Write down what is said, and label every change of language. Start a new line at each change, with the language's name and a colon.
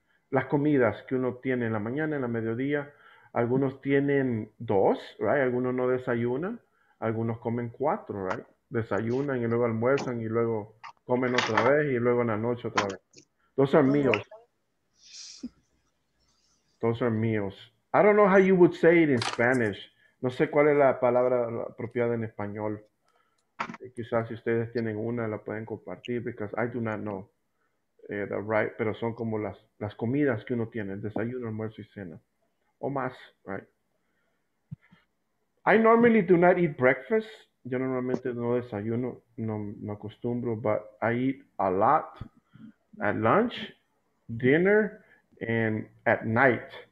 Spanish: Las comidas que uno tiene en la mañana, en la mediodía. Algunos tienen dos,
English: right?
Spanish: Algunos no desayunan. Algunos comen cuatro,
English: right?
Spanish: Desayunan y luego almuerzan y luego comen otra vez y luego en la noche otra vez.
English: Those are meals. Those are meals. I don't know how you would say it in Spanish.
Spanish: No sé cuál es la palabra apropiada en español. Quizás si ustedes tienen una la pueden compartir,
English: because I do not know. Right,
Spanish: pero son como las comidas que uno tiene, desayuno, almuerzo y cena. O más,
English: right? I normally do not eat breakfast.
Spanish: Yo normalmente no desayuno, no acostumbro,
English: but I eat a lot at lunch, dinner, and at night.